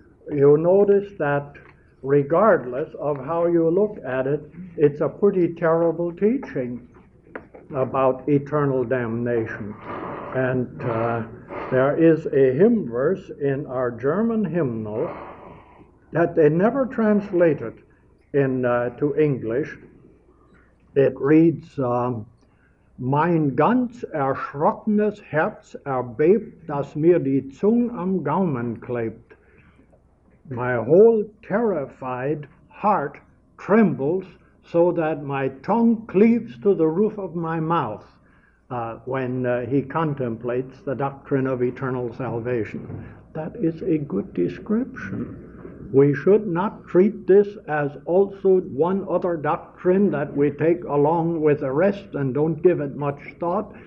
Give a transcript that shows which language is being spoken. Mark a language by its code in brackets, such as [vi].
[en] You notice that regardless of how you look at it, it's a pretty terrible teaching about eternal damnation. And there is a hymn verse in our German hymnal that they never translated into English. It reads, [de] Mein ganz erschrockenes Herz erbebt, dass mir die Zunge am Gaumen klebt. [en] My whole terrified heart trembles so that my tongue cleaves to the roof of my mouth. When he contemplates the doctrine of eternal salvation. That is a good description. We should not treat this as also one other doctrine that we take along with the rest and don't give it much thought.